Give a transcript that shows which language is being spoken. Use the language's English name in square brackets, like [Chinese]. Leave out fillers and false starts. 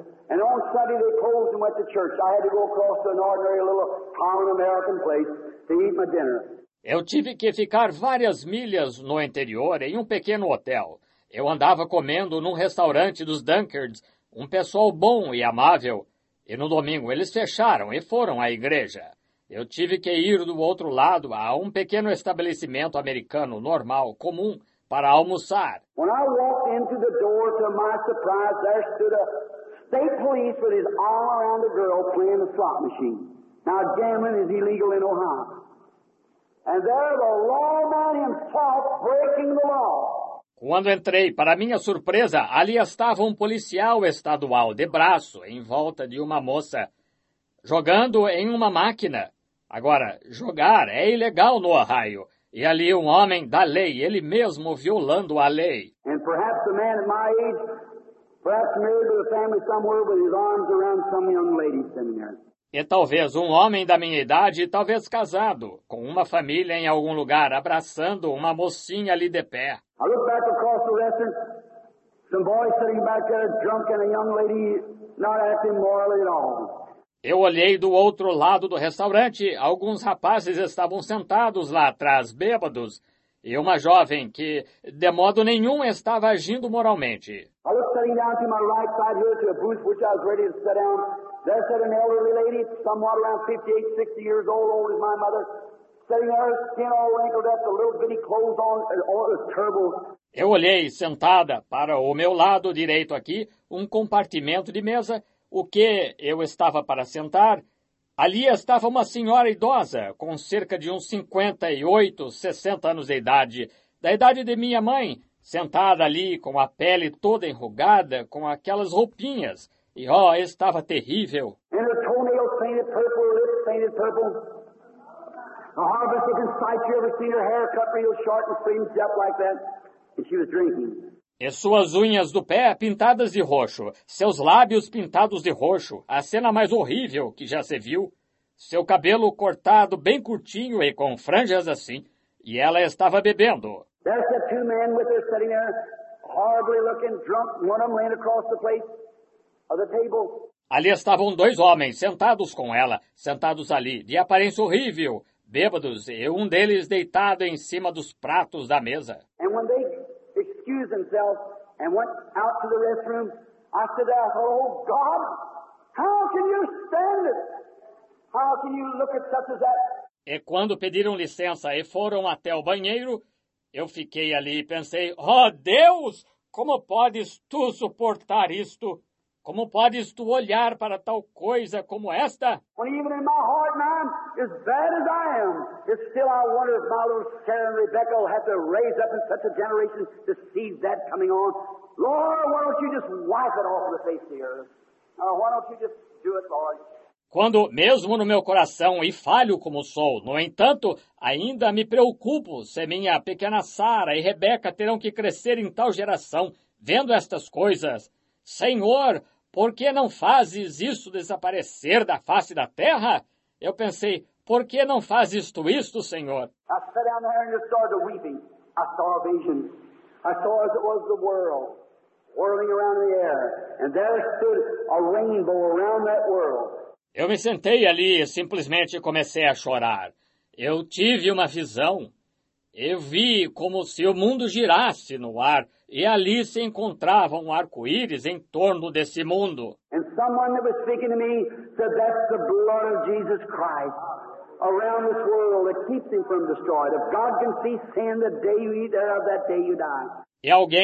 [English] And on Sunday they closed and went to church. I had to go across to an ordinary little common American place to eat my dinner. [Portuguese] Eu tive que ficar várias milhas no interior em um pequeno hotel. Eu andava comendo num restaurante dos Dunkards, um pessoal bom e amável. E no domingo eles fecharam e foram à igreja. Eu tive que ir do outro lado a um pequeno estabelecimento americano normal, comum, para almoçar. [English] When I walked into the door, to my surprise, there stood a state police with his arm around the girl playing the slot machine. Now, gambling is illegal in Ohio. And there the lawman himself breaking the law. [Portuguese] Quando entrei, para minha surpresa, ali estava um policial estadual de braço em volta de uma moça, jogando em uma máquina. Agora, jogar é ilegal no Ohio. E ali um homem da lei, ele mesmo violando a lei. [English] And perhaps a man at my age, perhaps married to a family somewhere with his arms around some young lady sitting there. [Portuguese] E talvez um homem da minha idade, talvez casado, com uma família em algum lugar, abraçando uma mocinha ali de pé. [English] I looked back across the restaurant, some boy sitting back there drunk and a young lady not acting morally at all. [Portuguese] Eu olhei do outro lado do restaurante, alguns rapazes estavam sentados lá atrás, bêbados, e uma jovem que, de modo nenhum, estava agindo moralmente. [English] I was sitting down to my right side here to a booth which I was ready to sit down. There sat an elderly lady, somewhat around 58, 60 years old, old as my mother, sitting there, skin all wrinkled up, the little bitty clothes on, and all the turbo. [Portuguese] Eu olhei, sentada, para o meu lado direito aqui, um compartimento de mesa, o que eu estava para sentar. Ali estava uma senhora idosa, com cerca de uns 58, 60 anos de idade, da idade de minha mãe, sentada ali com a pele toda enrugada, com aquelas roupinhas. E, ó, estava terrível. [English] And her toenails painted purple, her lips painted purple. The hardest looking sight you ever seen, her hair cut real short and fringed up like that. And she was drinking. [Portuguese] E suas unhas do pé pintadas de roxo, seus lábios pintados de roxo, a cena mais horrível que já se viu. Seu cabelo cortado bem curtinho e com franjas assim, e ela estava bebendo. [English] There's the two men with her sitting there, horribly looking, drunk, one of them laying across the place of the table. [Portuguese] Ali estavam dois homens sentados com ela, sentados ali, de aparência horrível, bêbados, e um deles deitado em cima dos pratos da mesa. [English] And when they excused themselves and went out to the restroom, I said, oh God, how can you stand it? How can you look at such as that? [Portuguese] E quando pediram licença e foram até o banheiro, eu fiquei ali e pensei, oh Deus, como podes tu suportar isto? Como podes tu olhar para tal coisa como esta? [English] When even in my heart, man, as bad as I am, it's still I wonder if my little Sarah and Rebecca will have to raise up in such a generation to see that coming on. Lord, why don't you just wipe it off the face of the earth? Why don't you just do it, Lord? [Portuguese] Quando, mesmo no meu coração e falho como sou, no entanto, ainda me preocupo se minha pequena Sara e Rebeca terão que crescer em tal geração, vendo estas coisas. Senhor, por que não fazes isso desaparecer da face da terra? Eu pensei, por que não fazes tu isto, Senhor? [English] I sat down there and just started weeping. I saw a vision. I saw as it was the world, whirling around the air. And there stood a rainbow around that world. [Portuguese] Eu me sentei ali e simplesmente comecei a chorar. Eu tive uma visão. Eu vi como se o mundo girasse no ar e ali se encontrava um arco-íris em torno desse mundo. E alguém que estava falando comigo disse que é o sangue de Jesus Cristo ao redor desse mundo que os mantém de destruir. Se Deus pode ver o sangue do dia que você come, do dia que você morre.